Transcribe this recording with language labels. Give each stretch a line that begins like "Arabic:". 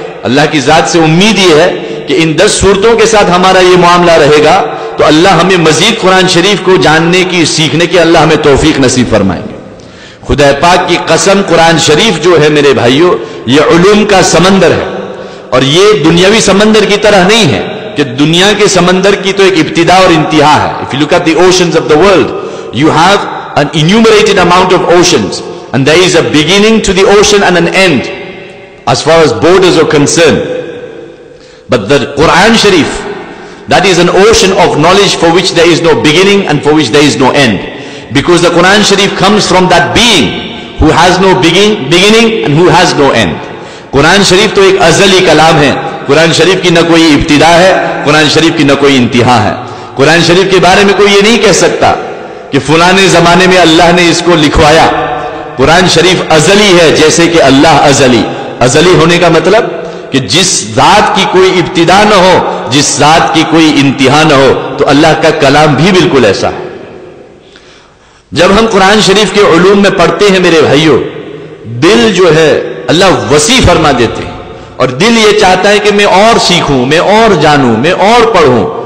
Urdu: اللہ کی ذات سے امید یہ ہے کہ ان 10 سورتوں کے ساتھ ہمارا یہ معاملہ رہے گا تو اللہ ہمیں مزید قرآن شریف کو جاننے کی, سیکھنے کی اللہ ہمیں توفیق نصیب فرمائیں گے. خدا پاک کی قسم, قرآن شریف جو ہے میرے بھائیو, یہ علوم کا سمندر ہے. اور یہ دنیاوی سمندر کی طرح نہیں ہے کہ دنیا کے سمندر کی تو ایک ابتدا اور انتہا ہے.
English: If you look at the oceans of the world, you have an enumerated amount of oceans, and there is a beginning to the ocean and an end as far as borders are concerned. But the Quran Sharif, that is an ocean of knowledge for which there is no beginning and for which there is no end, because the Quran Sharif comes from that being who has no beginning and who has no end.
Urdu: Quran Sharif to ek azali kalam hai. Quran Sharif ki na koi ibtida hai, Quran Sharif ki na koi intiha hai. Quran Sharif ke bare mein koi ye nahi keh sakta کہ فلانے زمانے میں اللہ نے اس کو لکھوایا. قرآن شریف ازلی ہے, جیسے کہ اللہ ازلی. ازلی ہونے کا مطلب کہ جس ذات کی کوئی ابتدا نہ ہو, جس ذات کی کوئی انتہا نہ ہو, تو اللہ کا کلام بھی بالکل ایسا ہے. جب ہم قرآن شریف کے علوم میں پڑھتے ہیں میرے بھائیو, دل جو ہے اللہ وسیع فرما دیتے ہیں, اور دل یہ چاہتا ہے کہ میں اور سیکھوں, میں اور جانوں, میں اور پڑھوں.